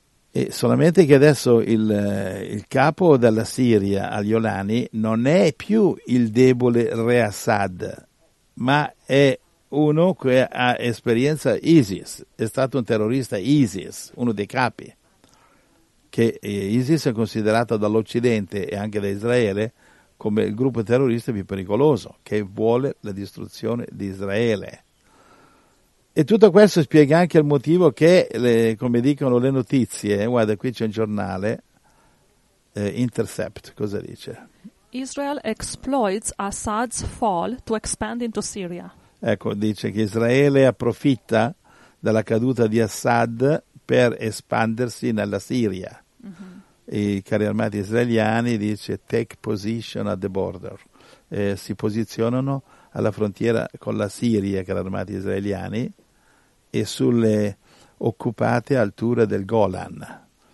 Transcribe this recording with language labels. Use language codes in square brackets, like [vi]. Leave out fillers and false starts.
[it] E solamente che adesso il capo della Siria, al-Iolani, non è più il debole Re Assad, ma è uno che ha esperienza ISIS, è stato un terrorista ISIS, uno dei capi, che ISIS è considerato dall'Occidente e anche da Israele come il gruppo terrorista più pericoloso, che vuole la distruzione di Israele. E tutto questo spiega anche il motivo che, come dicono le notizie, guarda, qui c'è un giornale, Intercept, cosa dice? [en] Israel exploits Assad's fall to expand into Syria. [it] Ecco, dice che Israele approfitta della caduta di Assad per espandersi nella Siria. Mm-hmm. I carri armati israeliani, dice, [en] take position at the border. [it] Si posizionano alla frontiera con la Siria, i carri armati israeliani, e sulle occupate alture del Golan.